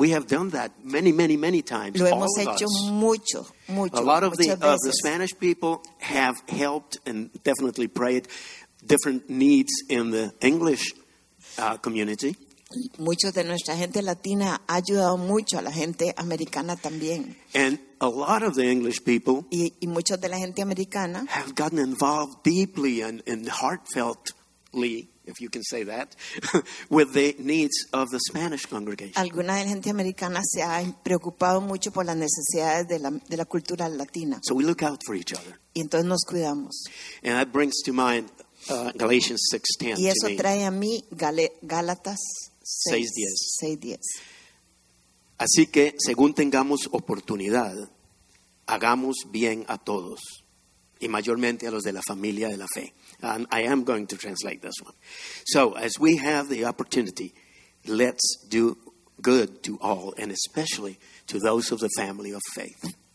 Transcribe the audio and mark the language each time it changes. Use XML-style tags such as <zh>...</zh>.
<en>We have done that many, many, many times.</en> <es>Lo hemos hecho mucho, mucho.</es> <en>A lot of the Spanish people have helped and definitely prayed different needs in the English community.</en> <es>Muchos de nuestra gente latina ha ayudado mucho a la gente americana también.</es> <en>And a lot of the English people</en> <es>y muchos de la gente americana</es> <en>have gotten involved deeply and heartfeltly, if you can say that, with the needs of the Spanish congregation.</en> <es>Alguna de la gente americana se ha preocupado mucho por las necesidades de la cultura latina.</es> <en>So we look out for each other.</en> <es>Y entonces nos cuidamos.</es> <en>And that brings to mind Galatians 6:10.</en> <es>Y eso trae a mí Gálatas 6:10. Así que, según tengamos oportunidad, hagamos bien a todos, y mayormente a los de la familia de la fe.</es> <en>And I am going to translate this one. So, as we have the opportunity, let's do good to all, and especially to those of the family of faith.</en>